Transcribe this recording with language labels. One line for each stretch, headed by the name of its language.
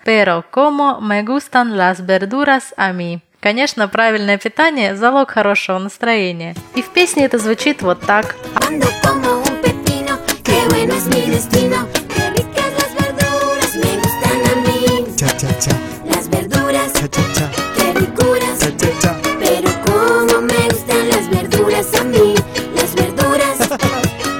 Spanish: Pero como me gustan las verduras a mí.
Russian: Конечно, правильное питание – залог хорошего настроения. И в песне это звучит вот так.
Spanish: Pero como me gustan las verduras a mí, las verduras.